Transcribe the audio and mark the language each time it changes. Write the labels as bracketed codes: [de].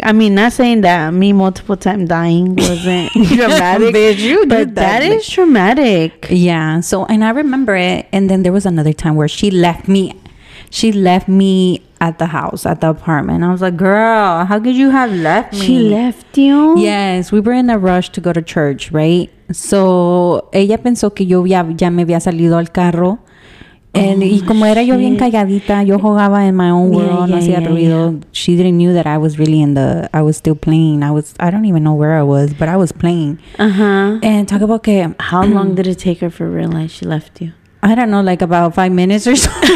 [en] I mean, not saying that me multiple times dying wasn't traumatic. Bitch, you but did that is traumatic. Yeah. So and I remember it, and then there was another time where she left me at the house, at the apartment. I was like, girl, how could you have left me? She left you? Yes, we were in a rush to go to church, right? [es] So, ella pensó que yo ya me había salido al carro. Y como era yo bien calladita, yo jugaba en [en] my own world, [es] no hacía ruido. [en] Yeah. She didn't knew that I was really I was still playing. I don't even know where I was, but I was playing. Uh-huh. And talk about que... How long did it take her for realize she left you? I don't know, like about 5 minutes or so.